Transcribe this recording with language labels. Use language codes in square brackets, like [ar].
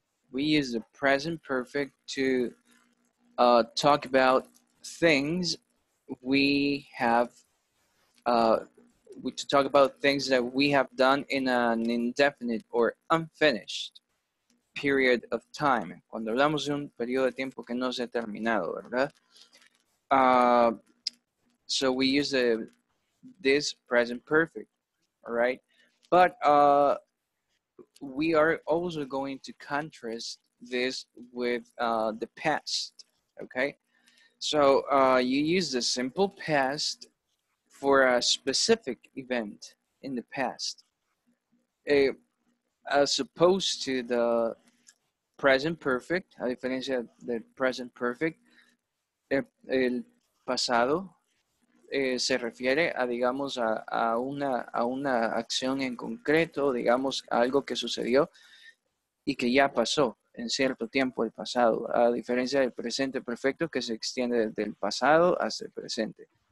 [en] We use the present perfect to talk about things we have, to talk about things that we have done in an indefinite or unfinished period of time. [es] Cuando hablamos de un periodo de tiempo que no se ha terminado, ¿verdad? [en] So we use this present perfect, all right? But we are also going to contrast this with the past, okay? So you use the simple past for a specific event in the past, as opposed to the present perfect. [es] A diferencia del present perfect, el pasado se refiere a, digamos, a una acción en concreto, digamos, algo que sucedió y que ya pasó en cierto tiempo el pasado, a diferencia del presente perfecto que se extiende desde el pasado hasta el presente.